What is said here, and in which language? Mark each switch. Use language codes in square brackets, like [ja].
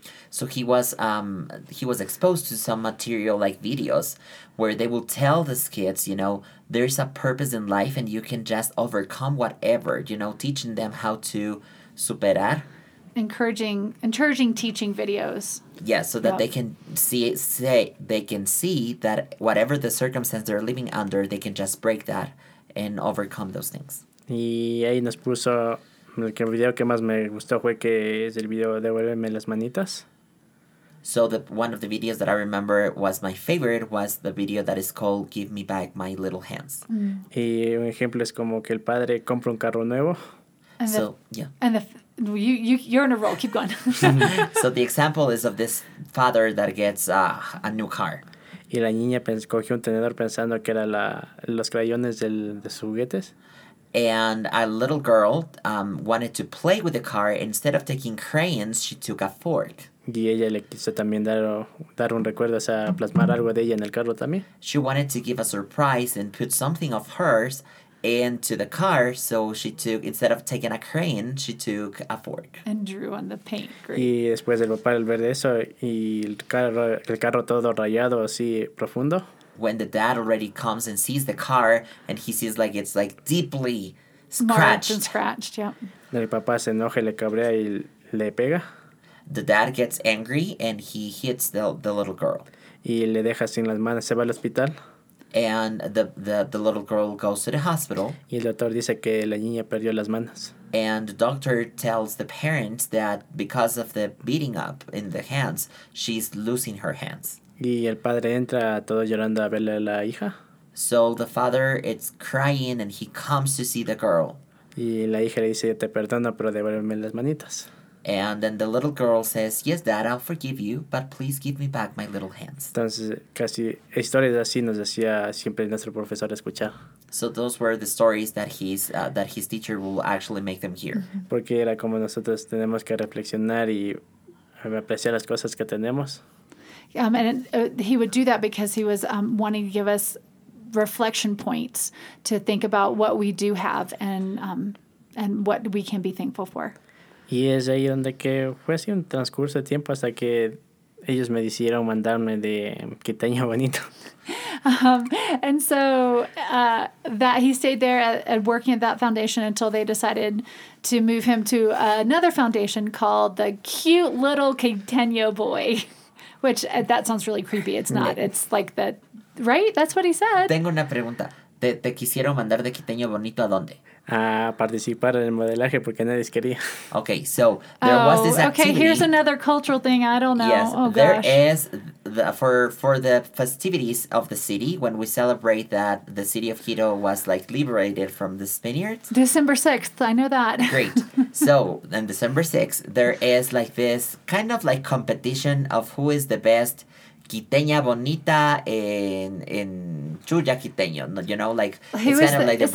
[en] So he was exposed to some material like videos where they will tell these kids, you know, there's a purpose in life and you can just overcome whatever, you know, teaching them how to superar. Encouraging teaching videos. Yeah, so that they can see that whatever the circumstance they're living under, they can just break that and overcome those things. [es] Y ahí nos puso el video que más me gustó fue que es el video de devuélveme las manitas. [en] So the one of the videos that I remember was my favorite was the video that is called Give Me Back My Little Hands. [es] Mm. Y un ejemplo es como que el padre compra un carro nuevo. [en] You're in a roll. Keep going. So the example is of this father that gets a new car. [es] Y la niña cogió un tenedor pensando que era los crayones de sus juguetes. [en] And a little girl wanted to play with the car. Instead of taking crayons, she took a fork. [es] Y ella le quiso también dar un recuerdo, o sea, plasmar algo de ella en el carro también. [en] She wanted to give a surprise and put something of hers into the car, so she took, instead of taking a crayon, she took a fork. And drew on the paint. Great. [es] Y después el papá al ver eso, y el carro todo rayado así profundo. [en] When the dad already comes and sees the car, and he sees like it's like deeply scratched. Marked and scratched, yeah. [es] El papá se enoja, le cabrea y le pega. [en] The dad gets angry and he hits the little girl. [es] Y le deja sin las manos, se va al hospital. [en] And the little girl goes to the hospital. [es] Y el doctor dice que la niña perdió las manos. [en] And the doctor tells the parents that because of the beating up in the hands, she's losing her hands. [es] Y el padre entra todo llorando a verle a la hija. [en] So the father is crying and he comes to see the girl. [es] Y la hija le dice, te perdono, pero devuélveme las manitas. [en] And then the little girl says, yes, Dad, I'll forgive you, but please give me back my little hands. [es] Entonces, casi historias así nos decía siempre nuestro profesor escuchar. [en] So those were the stories that his teacher will actually make them hear. Mm-hmm. [es] Porque era como nosotros tenemos que reflexionar y apreciar las cosas que tenemos. [en] He would do that because he was wanting to give us reflection points to think about what we do have and what we can be thankful for. [es] Y es ahí donde que fue así un transcurso de tiempo hasta que ellos me decidieron mandarme de quiteño bonito. [en] That he stayed there at working at that foundation until they decided to move him to another foundation called the Cute Little Quiteño Boy, which that sounds really creepy. It's not. It's like that, right? That's what he said. [es] Tengo una pregunta. ¿Te quisieron mandar de quiteño bonito a dónde? A participar en el modelaje porque nadie quería. [en] Okay, so there was this activity. Okay, here's another cultural thing. I don't know. Yes, oh, there gosh. Is the, for the festivities of the city when we celebrate that the city of Quito was like liberated from the Spaniards. December 6th, I know that. Great. So on December 6th, there is like this kind of like competition of who is the best quiteña bonita in chuya quiteño, you know, like representatives.